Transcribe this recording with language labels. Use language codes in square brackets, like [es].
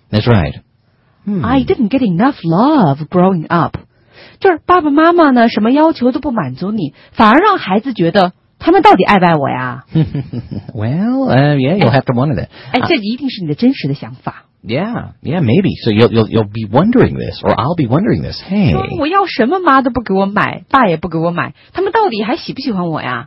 [en] That's right.、 I didn't get enough love growing up. [zh] 就是爸爸妈妈呢什么要求都不满足你反而让孩子觉得他们到底爱不爱我呀 [en] well, you'll have to wonder that. [zh] 哎，这一定是你的真实的想法。 [en] Yeah, maybe. So you'll be wondering this, or I'll be wondering this. Hey. [zh] 我要什么妈都不给我买爸也不给我买他们到底还喜不喜欢我呀